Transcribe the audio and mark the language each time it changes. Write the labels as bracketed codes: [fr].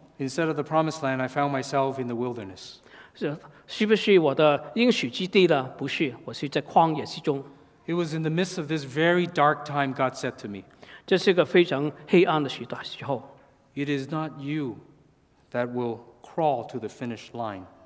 [en] Instead of the promised land, I found myself in the wilderness. [zh] 是不是我的应许基地呢？不是，我是在旷野之中。 [en] It was in the midst of this very dark time God said to me, [zh] 这是一个非常黑暗的时段时候, [en] it is not you that will crawl to the finish line.